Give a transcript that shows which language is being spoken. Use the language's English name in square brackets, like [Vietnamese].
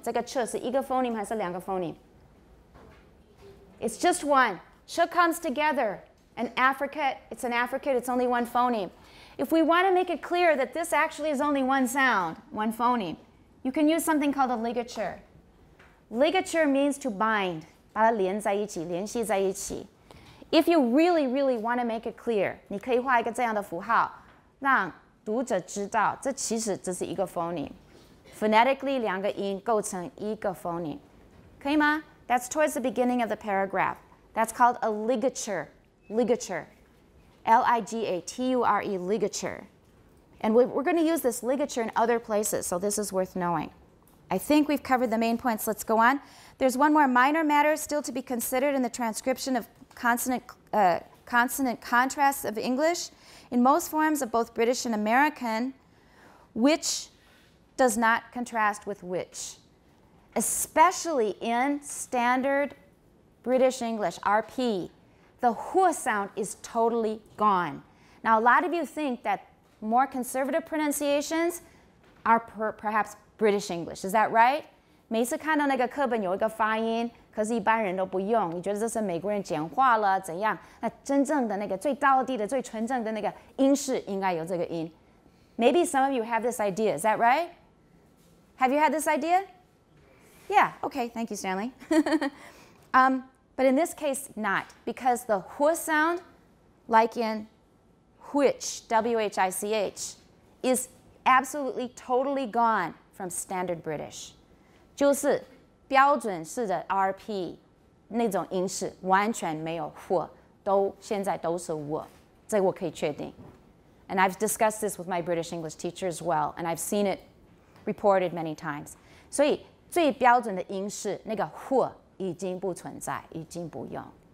[Chinese] 这个 ch 是一个 phoneme 还是两个 phoneme? [English] It's just one. Ch comes together. It's only one phoneme. If we want to make it clear that this actually is only one sound, one phoneme, you can use something called a ligature. Ligature means to bind. [Chinese] 把它连在一起, 联系在一起. [English] If you really, really want to make it clear, [Chinese] 你可以画一个这样的符号, 让读者知道, 这其实只是一个 phoneme. Phonetically, 两个音构成一个 phoneme. 可以吗? [English] That's towards the beginning of the paragraph. That's called a ligature. Ligature, L-I-G-A-T-U-R-E, ligature. And we're going to use this ligature in other places, so this is worth knowing. I think we've covered the main points. Let's go on. There's one more minor matter still to be considered in the transcription of consonant contrasts of English. In most forms of both British and American, which does not contrast with which, especially in standard British English, RP. The hu sound is totally gone. Now, a lot of you think that more conservative pronunciations are perhaps British English. Is that right? [Chinese] 每次看到那个课本有一个发音，可是一般人都不用。你觉得这是美国人简化了怎样？那真正的那个最道地的、最纯正的那个英式应该有这个音。 [English] Maybe some of you have this idea. Is that right? Have you had this idea? Yeah. Okay. Thank you, Stanley. But in this case, not, because the hu sound, like in which, W-H-I-C-H, is absolutely, totally gone from standard British. [Chinese] 就是标准式的RP, 那种音式完全没有hu,现在都是我,这我可以确定. [English] And I've discussed this with my British English teacher as well, and I've seen it reported many times. [Chinese] 所以最标准的音式,那个hu, 已经不存在，已经不用。